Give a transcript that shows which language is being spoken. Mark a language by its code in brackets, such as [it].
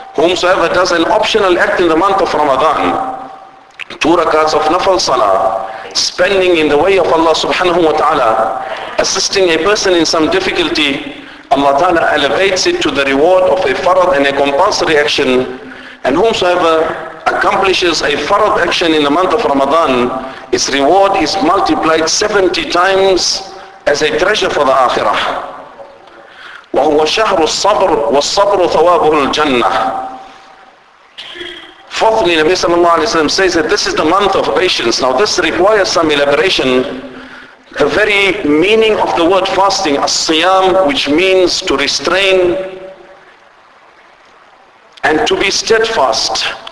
[en] Whomsoever does an optional act in the month of Ramadan, two rakats of nafal salah, spending in the way of Allah subhanahu wa ta'ala, assisting a person in some difficulty, Allah ta'ala elevates it to the reward of a farad and a compulsory action. And whomsoever accomplishes a farad action in the month of Ramadan, its reward is multiplied 70 times as a treasure for the akhirah. [ar] وهو شهر الصبر والصبر ثوابه الجنة. [en] Fourthly, Nabi sallallahu alayhi wa sallam says that this is the month of patience. Now this requires some elaboration. The very meaning of the word fasting, as-siyam, which means to restrain and to be steadfast.